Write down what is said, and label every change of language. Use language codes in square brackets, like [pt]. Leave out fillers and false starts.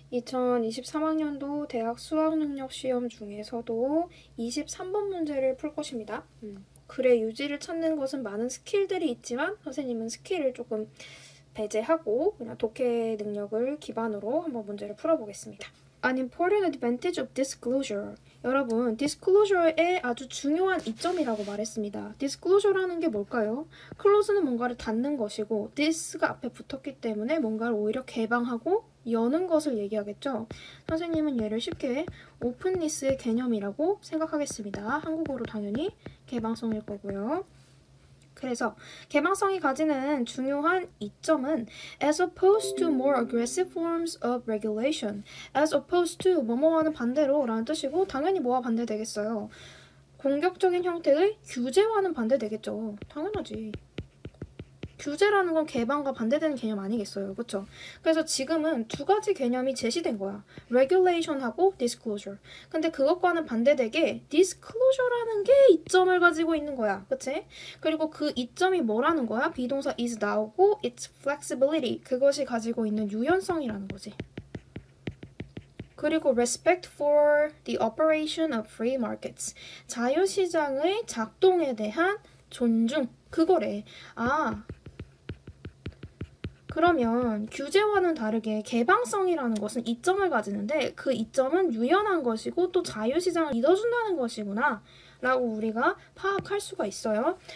[ko] 2023학년도 대학 수학능력 시험 중에서도 23번 문제를 풀 것입니다. 글의 유지를 찾는 것은 많은 스킬들이 있지만 선생님은 스킬을 조금 배제하고 그냥 독해 능력을 기반으로 한번 문제를 풀어보겠습니다. [en] An important advantage of disclosure. [ko] 여러분, disclosure의 아주 중요한 이점이라고 말했습니다. disclosure라는 게 뭘까요? close는 뭔가를 닫는 것이고, this가 앞에 붙었기 때문에 뭔가를 오히려 개방하고 여는 것을 얘기하겠죠. 선생님은 예를 쉽게 openness의 개념이라고 생각하겠습니다. 한국어로 당연히 개방성일 거고요. 그래서 개방성이 가지는 중요한 이점은 [en] as opposed to more aggressive forms of regulation. [ko] as opposed to 뭐뭐와는 반대로라는 뜻이고 당연히 뭐와 반대되겠어요? 공격적인 형태의 규제와는 반대되겠죠. 당연하지. 규제라는 건 개방과 반대되는 개념 아니겠어요. 그렇죠? 그래서 지금은 두 가지 개념이 제시된 거야. regulation하고 disclosure. 근데 그것과는 반대되게 disclosure라는 게 이점을 가지고 있는 거야. 그렇지? 그리고 그 이점이 뭐라는 거야? 비동사 is 나오고 [en] its flexibility. [ko] 그것이 가지고 있는 유연성이라는 거지. [en] 그리고 respect for the operation of free markets. [ko] 자유시장의 작동에 대한 존중. 그거래. 아. 그러면 규제와는 다르게 개방성이라는 것은 이점을 가지는데 그 이점은 유연한 것이고 또 자유시장을 믿어준다는 것이구나 라고 우리가 파악할 수가 있어요.